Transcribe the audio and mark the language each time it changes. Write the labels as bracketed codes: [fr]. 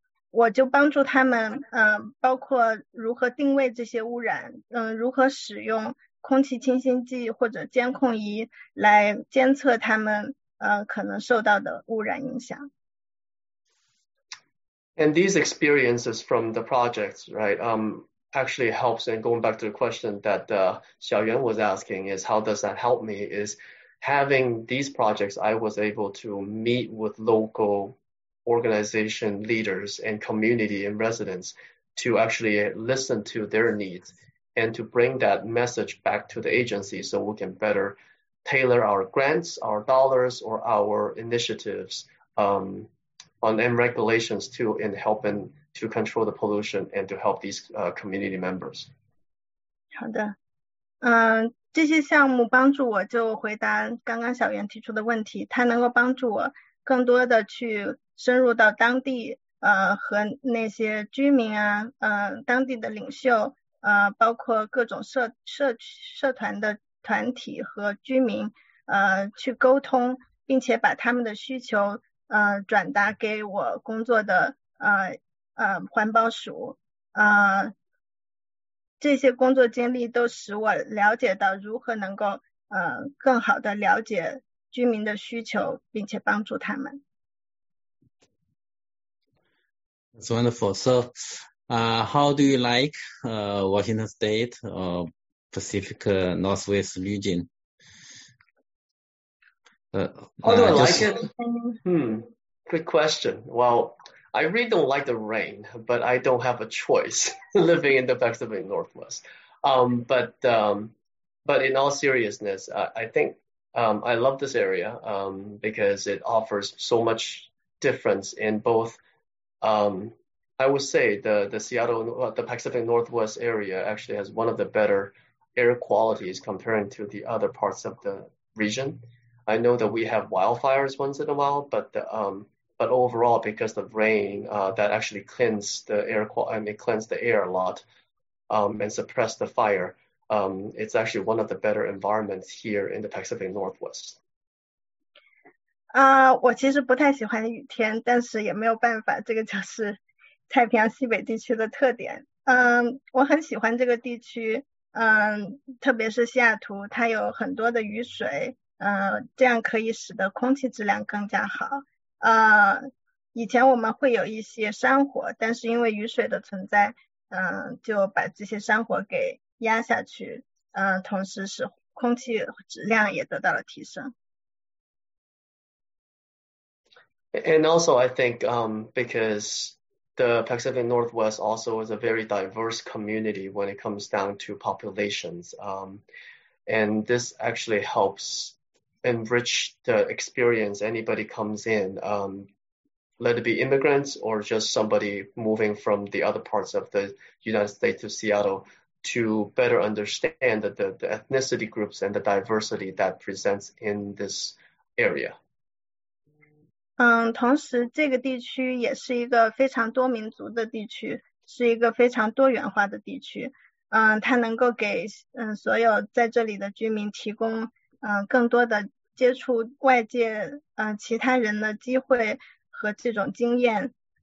[zh] 我就帮助他们，包括如何定位这些污染，如何使用空气清新剂或者监控仪来监测他们，可能受到的污染影响。 [en] And these experiences from the projects, right, actually helps. And going back to the question that Xiaoyuan was asking is how does that help me? Is having these projects, I was able to meet with local organization leaders and community and residents to actually listen to their needs and to bring that message back to the agency so we can better tailor our grants, our dollars, or our initiatives. On and regulations too in helping to control the pollution and to help these community members. [zh] 好的，这些项目帮助我就回答刚刚小袁提出的问题，它能够帮助我更多的去深入到当地，和那些居民啊，当地的领袖，包括各种社团的团体和居民，去沟通，并且把他们的需求转达给我工作的环保署，这些工作经历都使我了解到如何能够更好的了解居民的需求，并且帮助他们。 [en] That's wonderful. So, how do you like Washington State or Pacific Northwest region? How do I like it? Good question. Well, I really don't like the rain, but I don't have a choice living in the Pacific Northwest. But in all seriousness, I think I love this area because it offers so much difference in both. I would say the Pacific Northwest area actually has one of the better air qualities comparing to the other parts of the region. I know that we have wildfires once in a while, but overall, because of rain, that actually cleansed the air a lot and suppressed the fire. It's actually one of the better environments here in the Pacific Northwest. [zh] 我其实不太喜欢雨天，但是也没有办法，这个就是太平洋西北地区的特点。我很喜欢这个地区，特别是西雅图，它有很多的雨水，这样可以使得空气质量更加好。以前我们会有一些山火，但是因为雨水的存在，就把这些山火给压下去，同时使空气质量也得到了提升。 [en] And also, I think because the Pacific Northwest also is a very diverse community when it comes down to populations, and this actually helps. Enrich the experience anybody comes in, let it be immigrants or just somebody moving from the other parts of the United States to Seattle to better understand the ethnicity groups and the diversity that presents in this area. [zh] 同时这个地区也是一个非常多民族的地区，是一个非常多元化的地区，它能够给所有在这里的居民提供更多的接触外界其他人的机会和这种经验，